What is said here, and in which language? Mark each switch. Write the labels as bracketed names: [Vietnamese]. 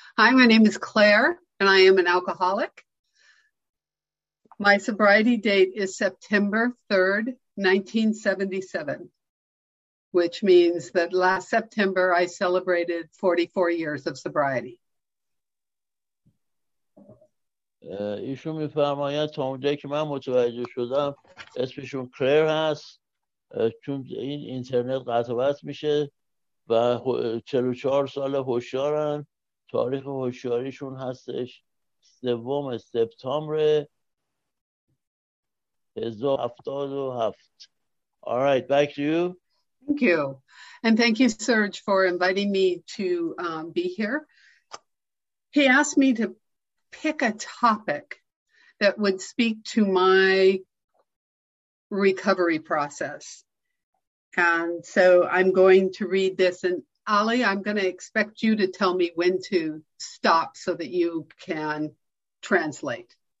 [English] Hi, my name is Claire, and I am an alcoholic. My sobriety date is September 3rd, 1977. Which means that last September I celebrated 44 years of sobriety. [Persian] ایشون می فرماید تا اونجایی که من متوجه شدم اسمشون کلر هست، چون این اینترنت قطع وصل میشه و 44 سال هوشیارن. تاریخ هوشیاریشون هستش 3 سپتامبر 1977. [English] All right, back to you. Thank you. And thank you, Serge, for inviting me to be here. He asked me to pick a topic that would speak to my recovery process. And so I'm going to read this. And Ali, I'm going to expect you to tell me when to stop so that you can translate.